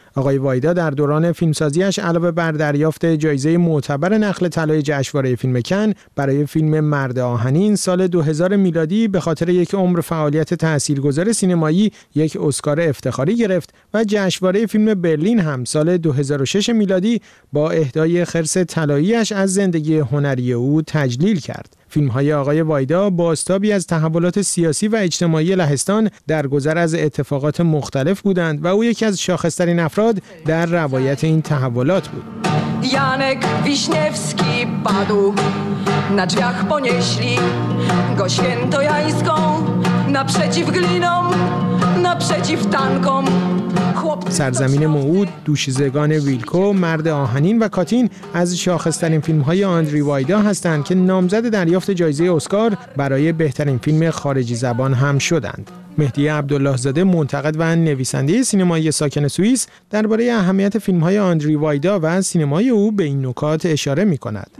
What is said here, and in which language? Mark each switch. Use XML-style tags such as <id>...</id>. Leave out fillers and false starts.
<fa>آقای وایدا در دوران فیلمسازیش علاوه بر دریافت جایزه معتبر نخل طلای جشنواره فیلم کن، برای فیلم مرد آهنین سال 2000 میلادی به خاطر یک عمر فعالیت تأثیرگذار سینمایی یک اسکار افتخاری گرفت و جشنواره فیلم برلین هم سال 2006 میلادی با اهدای خرس طلاییش از زندگی هنری او تجلیل کرد. فیلم‌های آقای وایدا بازتابی از تحولات سیاسی و اجتماعی لهستان در گذر از اتفاقات مختلف بودند و او یکی از شاخص‌ترین افراد در روایت این تحولات بود.</fa> <pl>Janek Wiśniewski padł na drzwiach ponieśli go świętojańską naprzeciw glinom naprzeciw tankom.</pl> <fa>سرزمین موعود، دوشیزگان ویلکو، مرد آهنین و کاتین از شاخص‌ترین فیلم‌های آندری وایدا هستند که نامزد دریافت جایزه اسکار برای بهترین فیلم خارجی زبان هم شدند. مهدی عبدالله‌زاده، منتقد و نویسنده سینمایی ساکن سوئیس، درباره اهمیت فیلم‌های آندری وایدا و سینمای او به این نکات اشاره می‌کند.</fa>